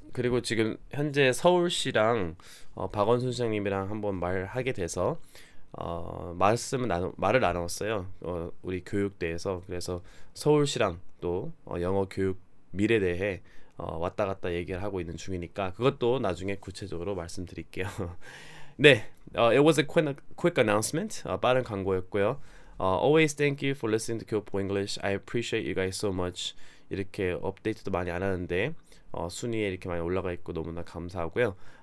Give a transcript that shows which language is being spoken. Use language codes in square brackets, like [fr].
[ko] 그리고 지금 현재 서울시랑 박원순 시장님이랑 한번 말하게 돼서 말을 나눴어요. 우리 교육대에서. 그래서 서울시랑 또 영어 교육 미래에 대해 왔다 갔다 얘기를 하고 있는 중이니까 그것도 나중에 구체적으로 말씀드릴게요. [en] 네, it was a quick announcement. [ko] 빠른 광고였고요. [en] Always thank you for listening to Kyopo English. I appreciate you guys so much. [ko] 이렇게 업데이트도 많이 안 하는데 순위에 이렇게 많이 올라가 있고 너무나 감사하고요.